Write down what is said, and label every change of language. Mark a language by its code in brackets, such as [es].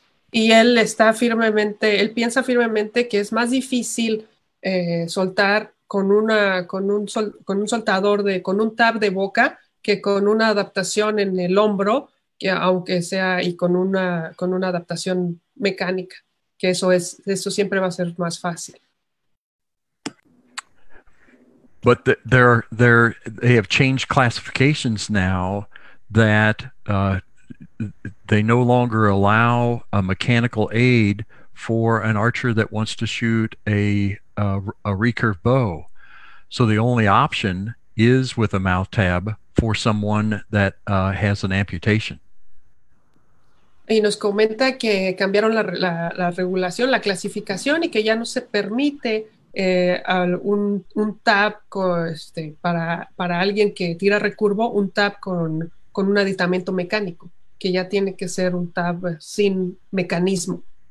[es] Y él está firmemente, él piensa firmemente que es más difícil soltar con un tab de boca que con una adaptación en el hombro, que aunque sea y con una adaptación mecánica, que eso siempre va a ser más fácil. [en] But they have changed classifications now that they no longer allow a mechanical aid for an archer that wants to shoot a recurve bow. So the only option is with a mouth tab for someone that has an amputation. [es] Y nos comenta que cambiaron la regulación, la clasificación, y que ya no se permite un tab con, para alguien que tira recurvo, un tab con un aditamento mecánico, que ya tiene que ser un tab sin mecanismo.